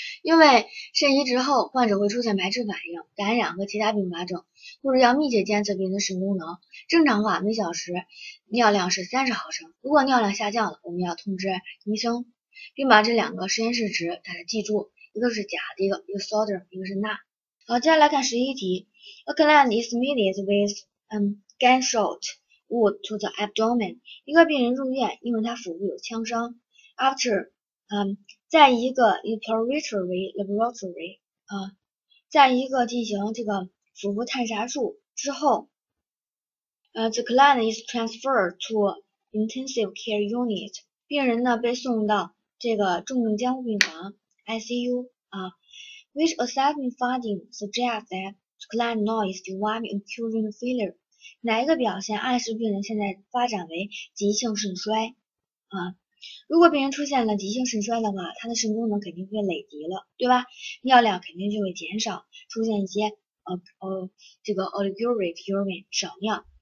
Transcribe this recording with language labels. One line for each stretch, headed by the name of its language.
Chinese: 因为肾移植后患者会出现排斥反应、感染和其他并发症，或者要密切监测病人的肾功能。正常话每小时尿量是30毫升，如果尿量下降了，我们要通知医生，并把这两个实验室值大家记住，一个是钾的，一个 sodium， 一个是钠。好，接下来看11题。
English: A client is admitted with gunshot wound to the abdomen。
Chinese: 一个病人入院，因为他腹部有枪伤。
English: after
Chinese: 在一个
English: exploratory laboratory
Chinese: 在一个进行这个腹部探查术之后，
English: the client is transferred to intensive care unit。
Chinese: 病人呢被送到这个重症监护病房 ICU。
English: Which assessment finding suggests that the client now is developing acute renal failure？
Chinese: 哪一个表现暗示病人现在发展为急性肾衰？如果病人出现了急性肾衰的话，他的肾功能肯定会累积了，对吧？尿量肯定就会减少，出现一些这个 oliguric urine 少尿。